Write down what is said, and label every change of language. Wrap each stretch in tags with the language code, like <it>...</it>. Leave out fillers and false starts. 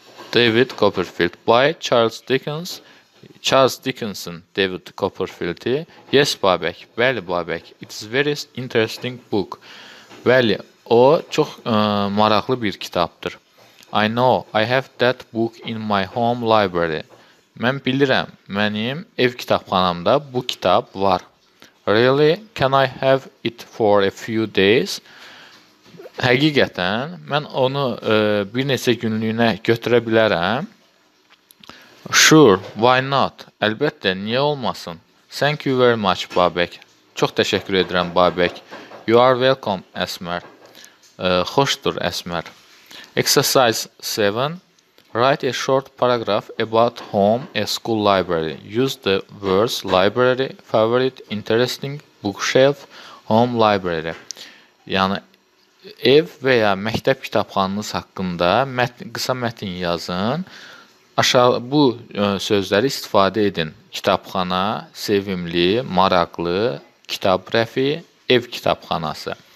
<en>David Copperfield by Charles Dickens. Charles Dickinson, David Copperfield'i. Yes Babek,</en> <az>bəli Babek,</az> <en>it is very interesting book.</en> <az>Bəli. O, çox maraqlı bir kitabdır.</az> <en>I know, I have that book in my home library.</en> <az>Mən bilirəm, mənim ev kitabxanamda bu kitab var.</az> <en>Really, can I have it for a few days?</en> <az>Həqiqətən, mən onu bir neçə günlüyünə götürə bilərəm.</az> <en>Sure, why not?</en> <az>Əlbəttə, niyə olmasın?</az> <en>Thank you very much, Babek.</en> <az>Çox təşəkkür edirəm, Babek.</az> <en>You are welcome, Esmer.</en> <az>Xoşdur, Əsmər.</az> <en>Exercise 7. Write a short paragraph about home, a school library. Use the words library, favorite, interesting, bookshelf, home library.</en> <az>Yəni, ev və ya məktəb kitabxanınız haqqında qısa mətin yazın. Aşağı bu sözləri istifadə edin. Kitabxana, sevimli, maraqlı, kitab rəfi, ev kitabxanası.</az>